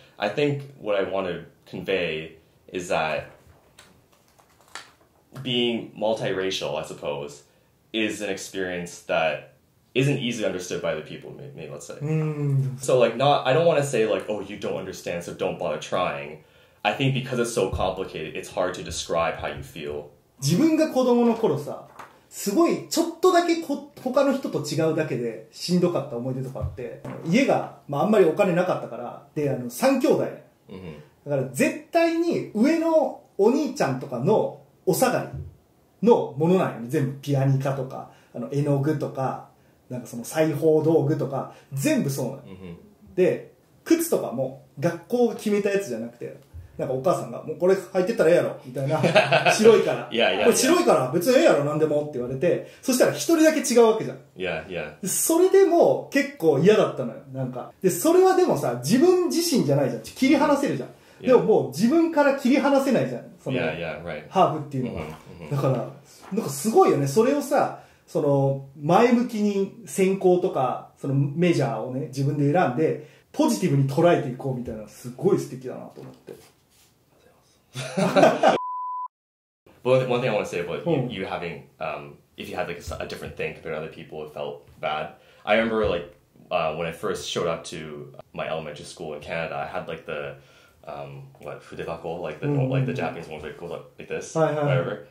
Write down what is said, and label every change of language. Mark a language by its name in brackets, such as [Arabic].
[English] I think what I want to convey is that being multiracial, I suppose, is an experience that isn't easily understood by the people, maybe, let's say. So, like, not, I don't want to say, like, oh, you don't understand, so don't bother trying. I think because it's so complicated, it's hard to describe how you feel. [Japanese] 自分が子供の頃さ、すごいちょっとだけ他の人と違うだけでしんどかった思い出とかあって、家が、まあ、あんまりお金なかったから、で、あの3兄弟、 mm-hmm. だから絶対に上のお兄ちゃんとかのお下がりのものなんよね、全部ピアニカとか、あの絵の具とか、なんかその裁縫道具とか、全部そうなんよ、 mm-hmm. で、靴とかも学校が決めたやつじゃなくて、なんかお母さんが、もうこれ履いてったらええやろ、みたいな。白いから。いやいや。これ白いから、別にええやろ、なんでもって言われて、そしたら一人だけ違うわけじゃん。いやいや。それでも結構嫌だったのよ、なんか。で、それはでもさ、自分自身じゃないじゃん。切り離せるじゃん。 [English] Yeah. [Japanese] でももう自分から切り離せないじゃん。その、ハーフっていうのは。 [English] Yeah, yeah, right. [Japanese] だから、なんかすごいよね、それをさ、その、前向きに選考とか、そのメジャーをね、自分で選んで、ポジティブに捉えていこうみたいな、すごい素敵だなと思って。 [English] But one thing I want to say about you having, if you had like a different thing compared to other people, it felt bad. I remember like when I first showed up to my elementary school in Canada, I had like the, what, fudebako, like the, like the Japanese ones where it goes up like this, whatever.